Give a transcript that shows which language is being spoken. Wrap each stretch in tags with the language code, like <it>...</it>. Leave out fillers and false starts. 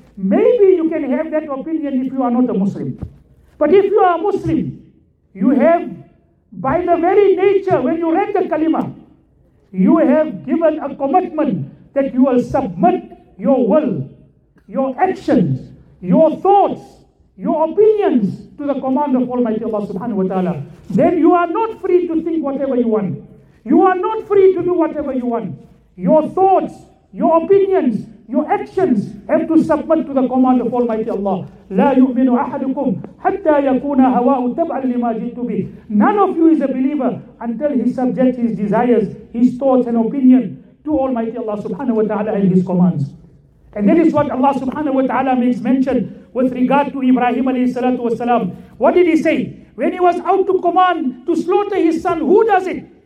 <en>Maybe you can have that opinion if you are not a Muslim. But if you are a Muslim, you have, by the very nature, when you read the Kalima, you have given a commitment that you will submit your will, your actions, your thoughts, your opinions to the command of Almighty Allah subhanahu wa ta'ala. Then you are not free to think whatever you want. You are not free to do whatever you want. Your thoughts, your opinions, your actions have to submit to the command of Almighty Allah.</en> <ar>لا يؤمن أحدكم حتى يكون هواه تبعا لما جئت به.</ar> <en>None of you is a believer until he subjects his desires, his thoughts and opinion to Almighty Allah subhanahu wa ta'ala and his commands. And that is what Allah subhanahu wa ta'ala makes mention with regard to Ibrahim alayhi salatu wa salam. What did he say? When he was out to command to slaughter his son, who does it?</en>